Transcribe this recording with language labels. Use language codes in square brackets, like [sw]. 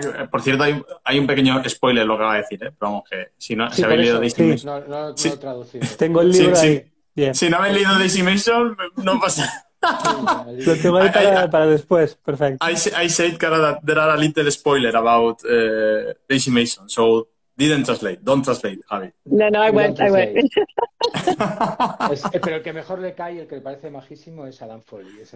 [es] Por cierto, hay un pequeño spoiler lo que va a decir, ¿eh? Pero vamos, que si no, sí, si habéis leído Daisy Mason. Tengo el libro ahí. [en] Yeah. [es] Si no habéis leído Daisy Mason, no pasa. Lo tengo ahí para después, perfecto. [en] I said, Cara, that there are a little spoiler about Daisy Mason, so didn't translate. Don't translate, Javi. No, I went. [es] Pero el que mejor le cae y el que le parece majísimo es Adam Foley.